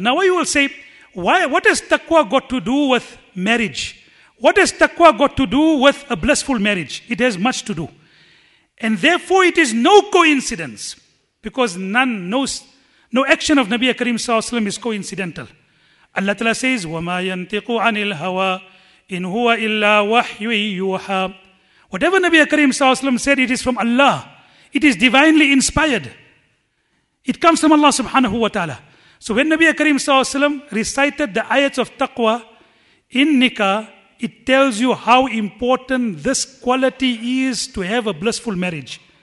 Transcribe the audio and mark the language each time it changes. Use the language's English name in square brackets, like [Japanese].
[English] Now, you will say, why? What has taqwa got to do with marriage? What has taqwa got to do with a blissful marriage? It has much to do. And therefore, it is no coincidence, because no action of Nabi Karim Sallallahu Alaihi Wasallam is coincidental. [Arabic] Allah Ta'ala says, وَمَا يَنْتِقُ عَنِ الْهَوَىٰ إِنْ هُوَ إِلَّا وَحْيُّ يُوحَىٰ. [English] Whatever Nabi Karim Sallallahu Alaihi Wasallam said, it is from Allah. It is divinely inspired. It comes from Allah subhanahu wa ta'ala. So when Nabi Karim sallallahu alayhi wa sallam recited the ayats of taqwa in nikah, it tells you how important this quality is to have a blissful marriage.